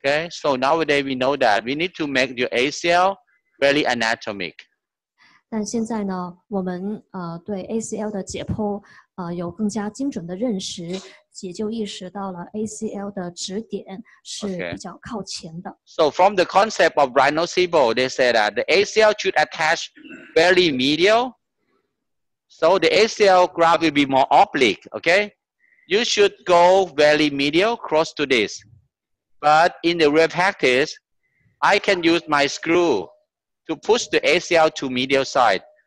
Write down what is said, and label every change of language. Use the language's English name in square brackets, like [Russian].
[English] so nowadays we know that we need to make your ACL very anatomic. [Chinese] 但现在呢，我们对 ACL 的解剖有更加精准的认识。也就意识到了ACL的指点是比较靠前的。 [English] Okay. So from the concept of rhinosebo, they say that the ACL should attach very medial. So the ACL graph will be more oblique, okay? You should go very medial close to this. But in the real practice, I can use my screw to push the ACL to medial side.